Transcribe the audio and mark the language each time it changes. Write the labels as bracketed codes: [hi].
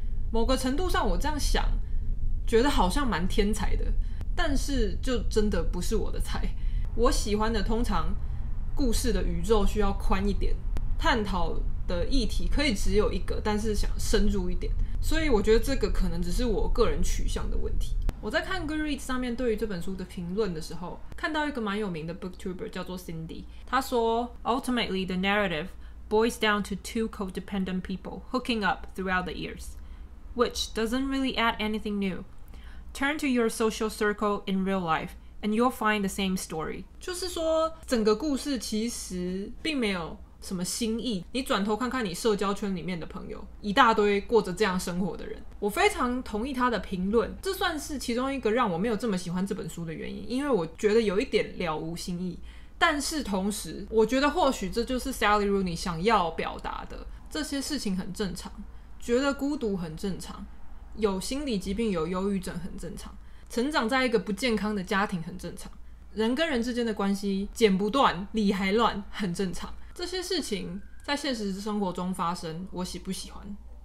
[zh] 某个程度上我这样想觉得好像蛮天才的，但是就真的不是我的菜。我喜欢的通常故事的宇宙需要宽一点，探讨的议题可以只有一个，但是想深入一点，所以我觉得这个可能只是我个人取向的问题。我在看 Goodreads 上面对于这本书的评论的时候，看到一个蛮有名的 booktuber 叫做 Cindy， 他说 [en] Ultimately the narrative boils down to two codependent people hooking up throughout the years which doesn't really add anything new. Turn to your social circle in real lifeAnd you'll find the same story. [zh] 就是说整个故事其实并没有什么心意，你转头看看你社交圈里面的朋友，一大堆过着这样生活的人。我非常同意他的评论，这算是其中一个让我没有这么喜欢这本书的原因，因为我觉得有一点了无新意。但是同时，我觉得或许这就是 Sally Rooney 想要表达的，这些事情很正常，觉得孤独很正常，有心理疾病有忧郁症很正常，成长在一个不健康的家庭很正常，人跟人之间的关系剪不断理还乱很正常，这些事情在现实生活中发生，我喜不喜欢？